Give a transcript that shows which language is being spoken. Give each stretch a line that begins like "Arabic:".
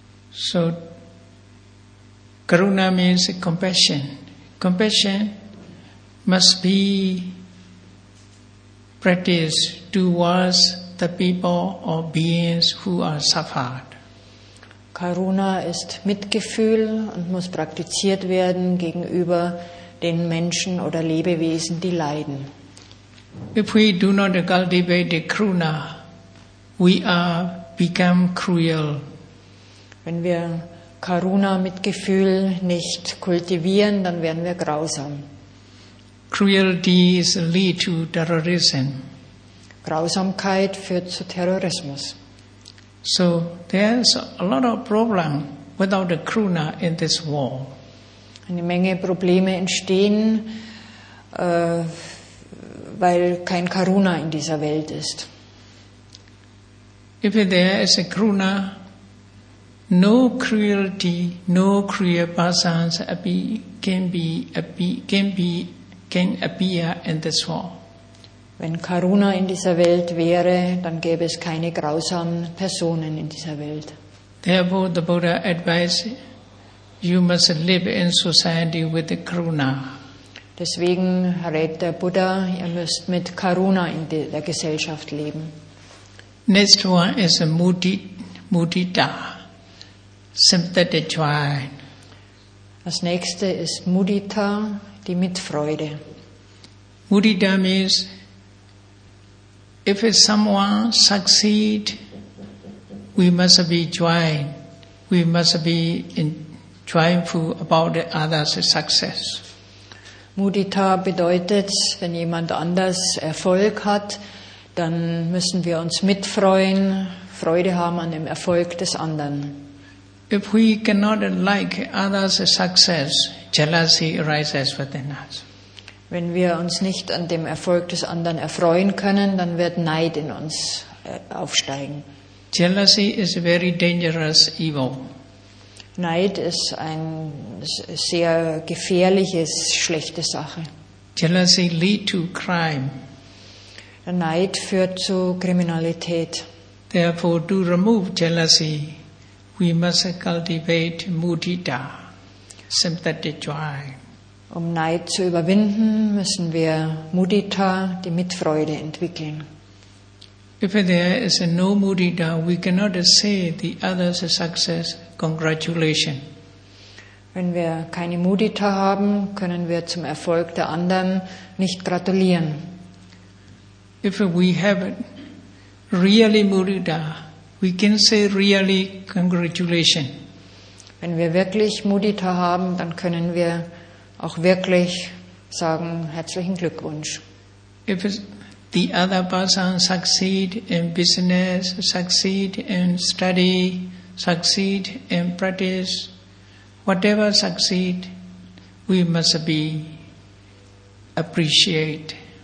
English: So, Karuna means compassion. Compassion must be practiced towards the people or beings who are suffered.
German: Karuna ist Mitgefühl und muss praktiziert werden gegenüber den Menschen oder Lebewesen, die leiden.
English: If we do not cultivate the Karuna, we are become cruel.
German: Wenn wir Karuna mit Gefühl nicht kultivieren, dann werden wir grausam.
English: Cruelty is lead to terrorism.
German: Grausamkeit führt zu Terrorismus.
English: So there is a lot of problem without the Karuna in this war.
German: Eine Menge Probleme entstehen, weil kein Karuna in dieser Welt ist.
English: If there is a Karuna, no cruelty, no cruel persons can appear in this world.
German: Wenn Karuna in dieser Welt wäre, dann gäbe es keine grausamen Personen in dieser Welt.
English: Therefore, the Buddha advised, you must live in society with the Karuna.
German: Deswegen rät der Buddha, ihr müsst mit Karuna in der Gesellschaft leben.
English: Next one is a mudita, sympathetic joy.
German: Das nächste ist mudita, die mit Freude.
English: Mudita means, if someone succeed, we must be joy. We must be joyful about the other's success.
German: Mudita bedeutet, wenn jemand anders Erfolg hat, dann müssen wir uns mitfreuen, Freude haben an dem Erfolg des anderen.
English: If we cannot like others' success, jealousy arises within us.
German: Wenn wir uns nicht an dem Erfolg des anderen erfreuen können, dann wird Neid in uns aufsteigen.
English: Jealousy is a very dangerous evil.
German: Neid ist eine sehr gefährliches, schlechte Sache.
English: Jealousy leads to crime.
German: Der Neid führt zu Kriminalität.
English: Therefore, to remove jealousy, we must cultivate mudita, sympathetic joy.
German: Um Neid zu überwinden, müssen wir mudita, die Mitfreude, entwickeln.
English: If there is no mudita, we cannot say the other's success, congratulations.
German: Wenn wir keine mudita haben, können wir zum Erfolg der anderen nicht gratulieren.
English: If we have really mudita, we can say really congratulations.
German: Wenn wir wirklich mudita haben, dann können wir auch wirklich sagen herzlichen Glückwunsch.
English: If the other person succeed in business, succeed in study, succeed in practice, whatever succeed, we must be appreciate.